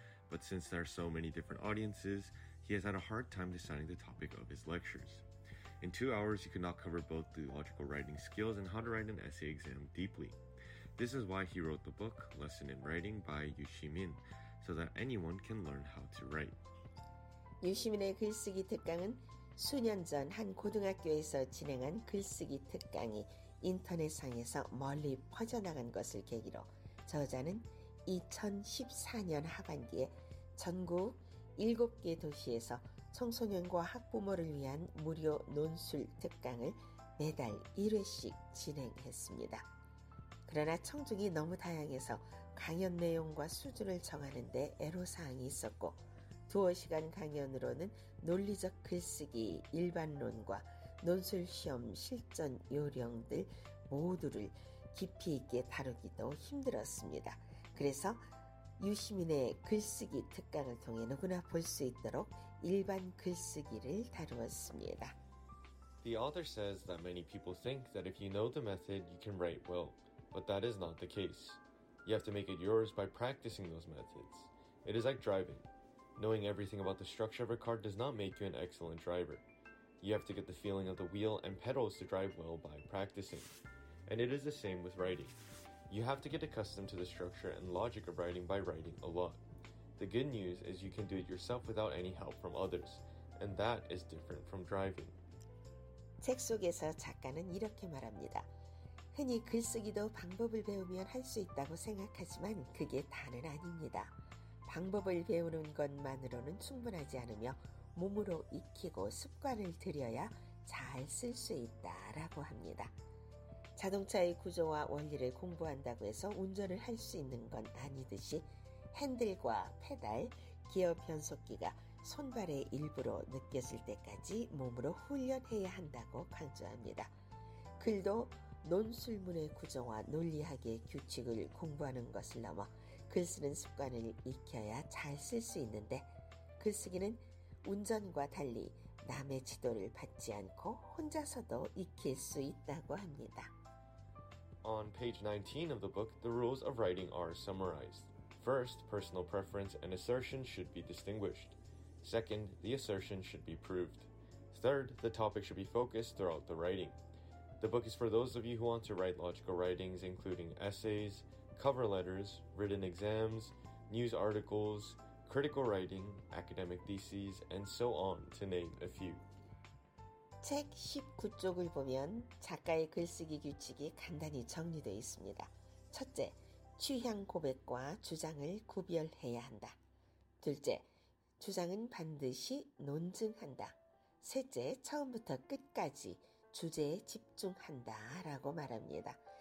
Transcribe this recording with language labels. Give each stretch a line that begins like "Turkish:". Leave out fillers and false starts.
English: But since there are so many different audiences, he has had a hard time deciding the topic of his lectures. In 2 hours, he could not cover both the logical writing skills and how to write an essay exam deeply. This is why he wrote the book, 'Lesson in Writing' by Yu Shimin, so that anyone can learn how to write.
Korean: 유시민의 글쓰기 특강은 수년 전 한 고등학교에서 진행한 글쓰기 특강이 인터넷상에서 멀리 퍼져나간 것을 계기로 저자는 2014년 하반기에 전국 7개 도시에서 청소년과 학부모를 위한 무료 논술 특강을 매달 1회씩 진행했습니다. 그러나 청중이 너무 다양해서 강연 내용과 수준을 정하는 데 애로사항이 있었고 두어 시간 강연으로는 논리적 글쓰기, 일반론과 논술시험 실전 요령들 모두를 깊이 있게 다루기도 힘들었습니다. 그래서 유시민의 글쓰기 특강을 통해 누구나 볼 수 있도록 일반 글쓰기를 다루었습니다.
English: The author says that many people think that if you know the method, you can write well. But that is not the case. You have to make it yours by practicing those methods. It is like driving. Knowing everything about the structure of a car does not make you an excellent driver. You have to get the feeling of the wheel and pedals to drive well by practicing. And it is the same with writing. You have to get accustomed to the structure and logic of writing by writing a lot. The good news is you can do it yourself without any help from others. And that is different from driving.
Korean: 책 속에서 작가는 이렇게 말합니다. 흔히 글쓰기도 방법을 배우면 할 수 있다고 생각하지만 그게 다는 아닙니다. 방법을 배우는 것만으로는 충분하지 않으며 몸으로 익히고 습관을 들여야 잘 쓸 수 있다라고 합니다. 자동차의 구조와 원리를 공부한다고 해서 운전을 할 수 있는 건 아니듯이 핸들과 페달, 기어 변속기가 손발의 일부로 느꼈을 때까지 몸으로 훈련해야 한다고 강조합니다. 글도 논술문의 구조와 논리학의 규칙을 공부하는 것을 넘어 글 쓰는 습관을 익혀야 잘 쓸 수 있는데 글쓰기는 운전과 달리 남의 지도를 받지 않고 혼자서도 익힐 수 있다고 합니다.
English: On page 19 of the book, the rules of writing are summarized. First, personal preference and assertion should be distinguished. Second, the assertion should be proved. Third, the topic should be focused throughout the writing. The book is for those of you who want to write logical writings, including essays, cover letters, written exams, news articles, critical writing, academic theses, and so on, to name a few.
Korean: 책 19쪽을 보면 작가의 글쓰기 규칙이 간단히 정리되어 있습니다. 첫째, 취향 고백과 주장을 구별해야 한다. 둘째, 주장은 반드시 논증한다. 셋째, 처음부터 끝까지 주제에 집중한다 라고 말합니다.